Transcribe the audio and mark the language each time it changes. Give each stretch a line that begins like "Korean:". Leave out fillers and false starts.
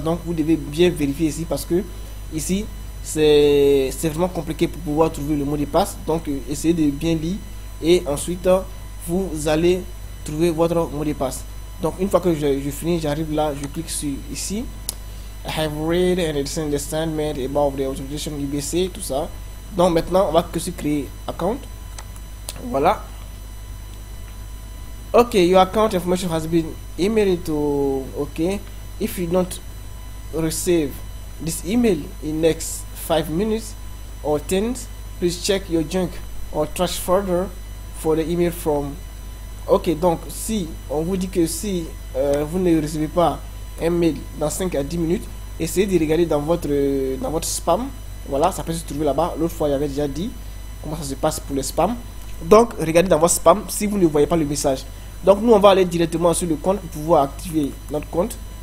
French: Donc vous devez bien vérifier ici parce que ici, c'est vraiment compliqué pour pouvoir trouver le mot de passe. Donc essayez de bien lire et ensuite vous allez trouver votre mot de passe. Donc une fois que je finis, j'arrive là, je clique sur ici.
English: I have read and understand the statement about the authorization UBC,
French: tout ça. Donc maintenant, on va que se créer account. Voilà.
English: Ok, your account information has been emailed to. Ok, if you don't receive this email in next 5 minutes or 10, please check your junk or trash folder for the email from.
French: Ok, donc si on vous dit que si vous ne recevez pas un mail dans 5 à 10 minutes, essayez de regarder dans votre spam. Voilà, ça peut se trouver là-bas. L'autre fois, j'avais déjà dit comment ça se passe pour le spam. Donc, regardez dans votre spam si vous ne voyez pas le message. Donc, nous, on va aller directement sur le compte pour pouvoir activer notre compte.